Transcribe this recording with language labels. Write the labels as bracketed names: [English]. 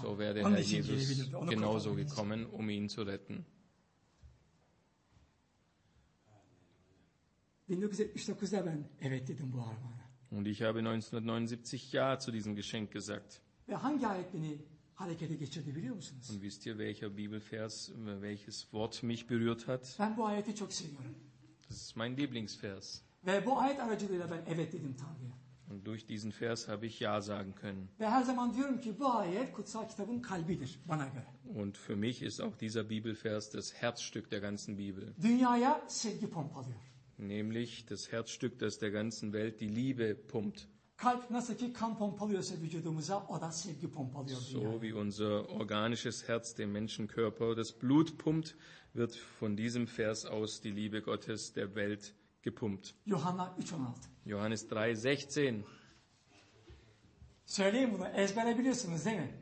[German] So wäre Herr Jesus genauso gekommen, um ihn zu retten. [Turkish] 1979'da ben evet dedim bu armağana. [German] Und ich habe 1979 ja zu diesem Geschenk gesagt. [Turkish] Ve hangi ayet beni harekete geçirdi biliyor musunuz? [German] Und wisst ihr, welcher Bibelvers, welches Wort mich berührt hat? [Turkish] Ben bu ayeti çok seviyorum. [German] Das ist mein Lieblingsvers. [Turkish] Ve bu ayet aracılığıyla ben evet dedim Tanrı'ya. [German] Und durch diesen Vers habe ich ja sagen können. [Turkish] Ve her zaman diyorum ki bu ayet kutsal kitabın kalbidir bana göre. [German] Und für mich ist auch dieser Bibelvers das Herzstück der ganzen Bibel. [Turkish] Dünyaya sevgi pompalıyor. [German] Nämlich das Herzstück, das der ganzen Welt die Liebe pumpt. [Turkish] Kalp nasıl ki kan pompalıyorsa vücudumuza, o da sevgi pompalıyor. [German] So wie unser organisches Herz dem Menschenkörper das Blut pumpt, wird von diesem Vers aus die Liebe Gottes der Welt gepumpt. [Turkish] Johanna 3:16. [German] Johannes 3:16. [Turkish] Söyleyin bunu, ezbere biliyorsunuz değil mi?